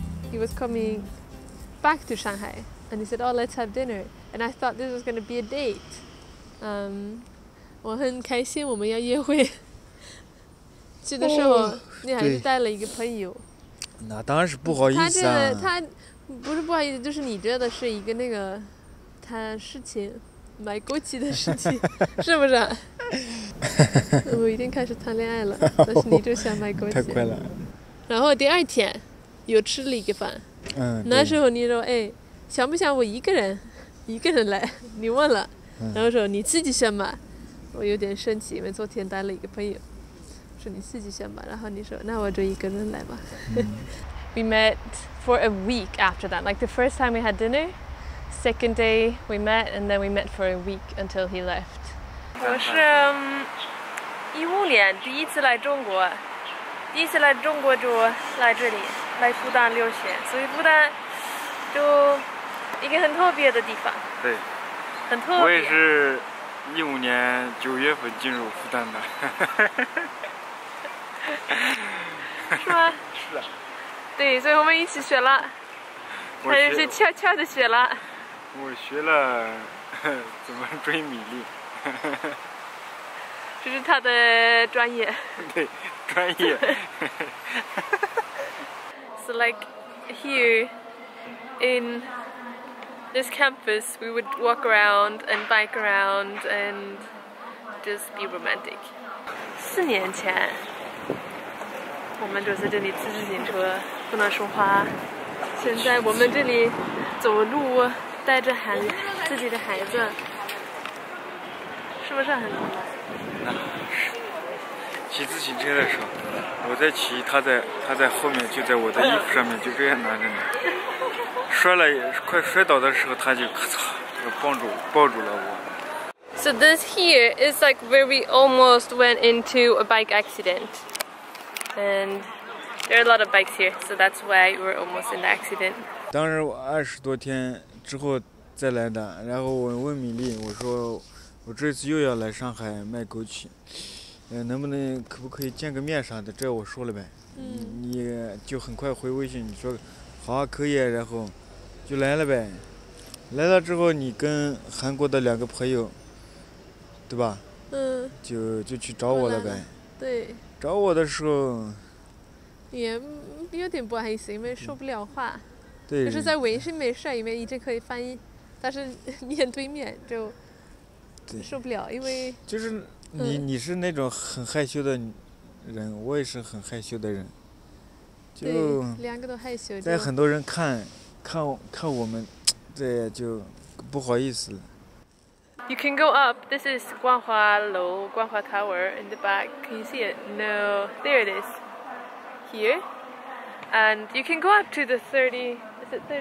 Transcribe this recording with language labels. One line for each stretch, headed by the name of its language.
English: He was coming back to Shanghai and he said, oh, let's have dinner. And I thought this was going to be a date.
Chinese: 我很开心我们要约会。去的时候你还是带了一个朋友。那当然是不好意思啊。他不是不好意思，就是你觉得是一个那个他事情。买枸杞的事情是不是、啊、我已经开始谈恋爱了，但是你就想买枸杞，太快了。然后第二天又吃了一个饭，那时候你说，哎，想不想我一个人来，你问了、然后说你自己选吧。我有点生气，因为昨天带了一个朋友，说你自己选吧，然后你说那我就一个人来吧。
English: We met for a week after that, like the first time we had dinnerSecond day we met, and then we met for a week until he left.
Chinese: 我是2015年第一次来中国，第一次来中国就来这里，来复旦留学，所以复旦就一个很特别的地方。对，很特别。我也是2015年9月份进入复旦的。是吗？是的。对，所以我们一起学了，他就是悄悄的学了。我学了怎么追米粒，这是他的专业。对，专业。
English: So like here in this campus, we would walk around and bike around and just be romantic.
Chinese: 4年前，我们就在这里骑自行车，不能说话。现在我们这里走路。带着自己的孩子，是不是很难？是。骑自行车的时候，我在骑，他在后面，就在我的衣服上面，就这样拿着呢。摔了，快摔倒的时候，他就咔嚓，就抱住了我。
English: So this here is like where we almost went into a bike accident, and there are a lot of bikes here, so that's why we were almost in the accident.
Chinese: 当时我20多天。之后再来的，然后我问米粒，我说我这次又要来上海卖枸杞，能不能可不可以见个面啥的，这我说了呗、你就很快回微信，你说好啊，可以，然后就来了呗。来了之后你跟韩国的两个朋友对吧，就去找我了呗。对，找我的时候也有点不好意思，因为说不了话。对，就是在微信没事，因为一直可以翻译，但是面对面就受不了，因为就是你、你是那种很害羞的人，我也是很害羞的人，就两个都害羞，在很多人看我们，对，就不好意思。
English: You can go up. This is 光华楼 Guanghua Tower in the back. Can you see it? No, there it is. Here.And you can go up to the 30th